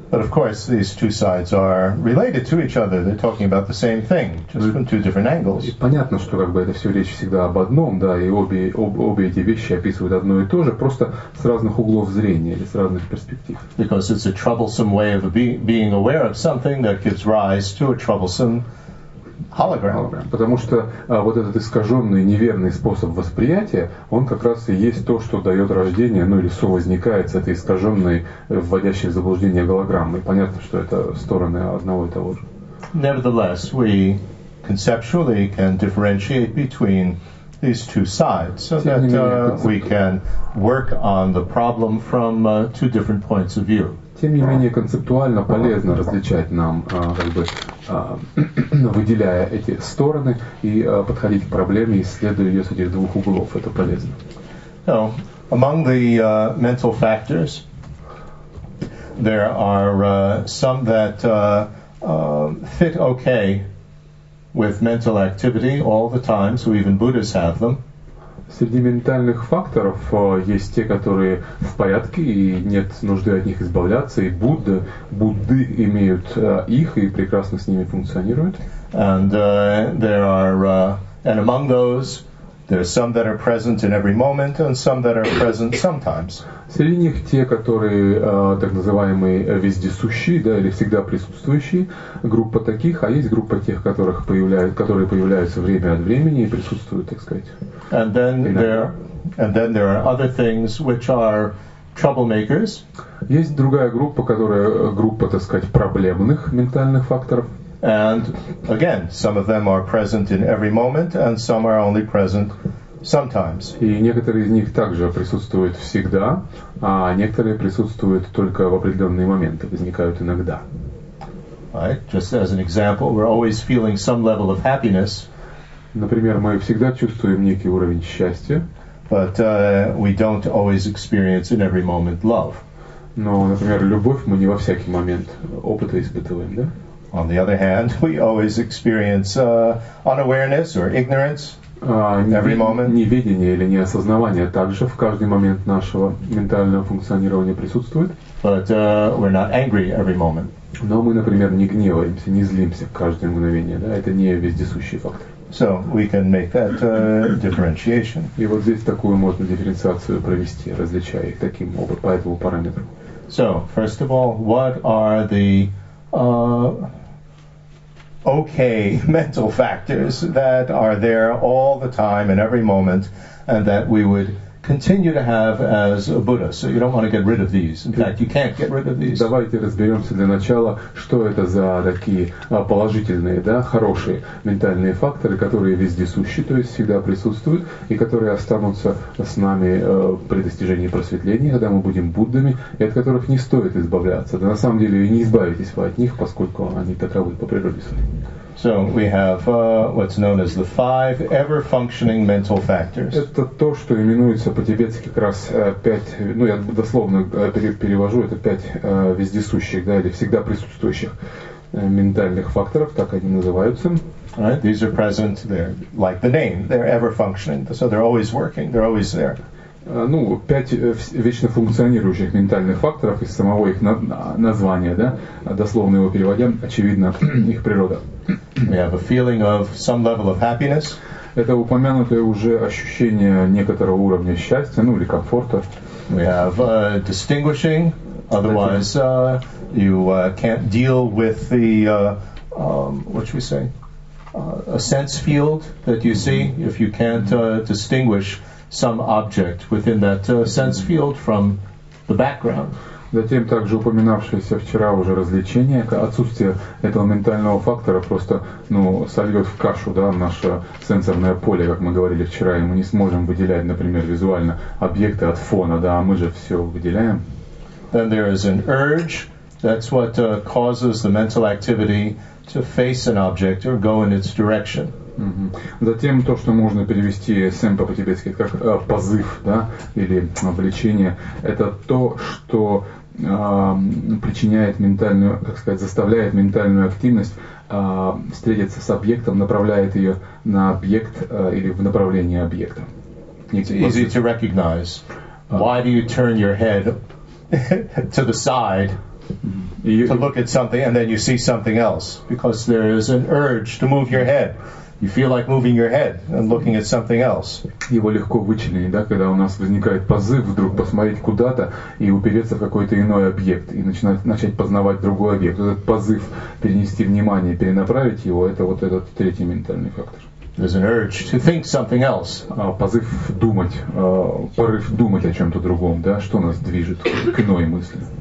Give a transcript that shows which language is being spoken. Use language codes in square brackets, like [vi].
[en] But of course, these two sides are related to each other. They're talking about the same thing, just two different angles. [ru] И понятно, что как бы это все речь всегда об одном, да, и обе эти вещи описывают одно и то же, просто с разных углов зрения или с разных перспектив. [en] Because it's a troublesome way of being aware of something that gives rise to a troublesome hologram. [ru] Потому что вот этот искаженный, неверный способ восприятия, он как раз и есть то, что дает рождение, ну или совозникает с этой искаженной, вводящей в заблуждение голограммой. Понятно, что это стороны одного и того же. [en] Nevertheless, we conceptually can differentiate between these two sides, so that we can work on the problem from two different points of view. [ru] Тем не менее, концептуально полезно различать нам, как бы, выделяя эти стороны и подходить к проблеме, исследуя ее с этих двух углов. Это полезно. [en] So, among the mental factors, there are some that fit okay with mental activity all the time, so even Buddhists have them. [ru] Среди ментальных факторов есть те, которые в порядке, и нет нужды от них избавляться, и Будды имеют их и прекрасно с ними функционируют. [en] And there are and among those there are some that are present in every moment and some that are present sometimes. [ru] Среди них те, которые так называемые вездесущие, да, или всегда присутствующие, группа таких, а есть группа тех, которые появляются время от времени и присутствуют, так сказать. [en] And then there are other things which are troublemakers. [ru] Есть другая группа, которая группа, так сказать, проблемных ментальных факторов. [en] And again, some of them are present in every moment, and some are only present sometimes. [ru] И некоторые из них также присутствуют всегда, а некоторые присутствуют только в определенные моменты, возникают иногда. [en] Right. Just as an example, we're always feeling some level of happiness. [ru] Например, мы всегда чувствуем некий уровень счастья. [en] But we don't always experience in every moment love. [ru] Но, например, любовь мы не во всякий момент опыта испытываем, да? [en] On the other hand, we always experience unawareness or ignorance. [ru] Неведение или неосознавание также в каждый момент нашего ментального функционирования присутствует. [en] But we're not angry every moment. [ru] Но мы, например, не гневаемся, не злимся в каждое мгновение. Да? Это не вездесущий фактор. [en] So we can make that differentiation. [ru] И вот здесь такую можно дифференциацию провести, различая их таким образом, по этому параметру. [en] So, first of all, what are the okay mental factors that are there all the time in every moment and that we would continue to have as a Buddha. So you don't want to get rid of these. In fact, you can't get rid of these. [ru] Давайте разберемся для начала, что это за такие положительные, да, хорошие ментальные факторы, которые вездесущи, то есть всегда присутствуют, и которые останутся с нами при достижении просветления, когда мы будем Буддами, и от которых не стоит избавляться. Да, на самом деле, и не избавитесь вы от них, поскольку они таковы по природе своей. [en] So we have what's known as the five ever-functioning mental factors. [ru] Это то, что именуется по-тибетски как раз пять. Ну, я дословно перевожу это пять вездесущих, да, или всегда присутствующих ментальных факторов, так они называются. [en] Right, these are present. They're like the name. They're ever-functioning. So they're always working. They're always there. [ru] Ну, пять вечно функционирующих ментальных факторов из самого их названия, да, дословно его переводя, очевидно, их природа. [en] We have a feeling of some level of happiness. [ru] Это упомянутое уже ощущение некоторого уровня счастья, ну, или комфорта. [en] We have distinguishing, otherwise you can't deal with the, what should we say, a sense field that you see, if you can't distinguish some object within that sense field from the background. [ru] Затем также упоминавшееся вчера уже развлечение, отсутствие этого ментального фактора просто, ну, сольет в кашу, да, наше сенсорное поле, как мы говорили вчера, и мы не сможем выделять, например, визуально объекты от фона, да, а мы же все выделяем. [en] Then there is an urge. That's what causes the mental activity to face an object or go in its direction. [ru] Затем то, что можно перевести сэмпа по-тибетски как позыв, да, или влечение, это то, что причиняет ментальную, как сказать, заставляет ментальную активность встретиться с объектом, направляет ее на объект или в направлении объекта. [en] Easy to recognize. Why do you turn your head to the side? to look at something and then you see something else because there is an urge to move your head. You feel like moving your head and looking at something else. [ru] Его легко вычленить, да, когда у нас возникает позыв вдруг посмотреть куда-то и упереться в какой-то иной объект и начать познавать другой объект. Этот позыв перенести внимание, перенаправить его, это вот этот третий ментальный фактор. [en] There's an urge to think something else. [ru] Позыв думать, порыв думать о чем-то другом, да, что нас движет к иной мысли.